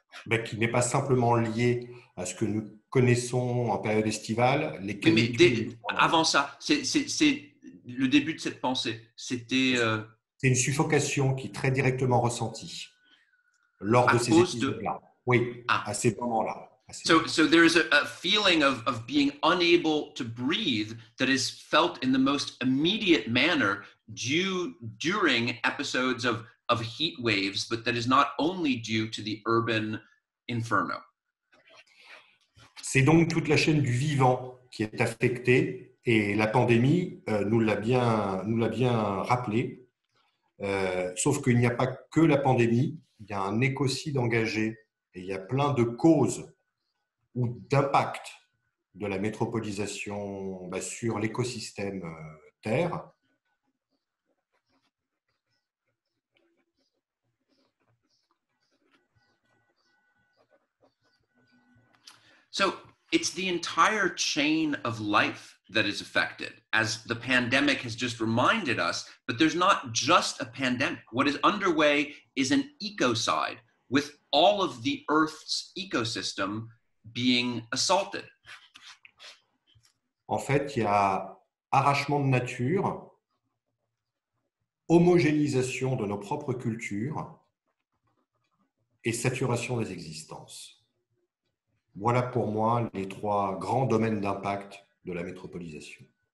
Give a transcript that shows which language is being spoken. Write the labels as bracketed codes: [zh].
[fr] Mais qui n'est pas simplement lié à ce que nous connaissons en période estivale, les canicules. Oui, mais avant ça, c'est le début de cette pensée, c'était... C'est une suffocation qui est très directement ressentie lors de ces épisodes-là. Oui, à ces moments-là. [en] So there is a feeling of being unable to breathe that is felt in the most immediate manner during episodes of heat waves, but that is not only due to the urban inferno. [fr] C'est donc toute la chaîne du vivant qui est affectée. Et la pandémie nous l'a bien rappelé. Sauf qu'il n'y a pas que la pandémie, il y a un écocide engagé et il y a plein de causes ou d'impacts de la métropolisation sur l'écosystème Terre. [en] So, it's the entire chain of life that is affected, as the pandemic has just reminded us, but there's not just a pandemic. What is underway is an ecocide, with all of the Earth's ecosystem being assaulted. [fr] En fait, il y a arrachement de nature, homogénéisation de nos propres cultures, et saturation des existences. Voilà pour moi les trois grands domaines d'impact de la métropolisation.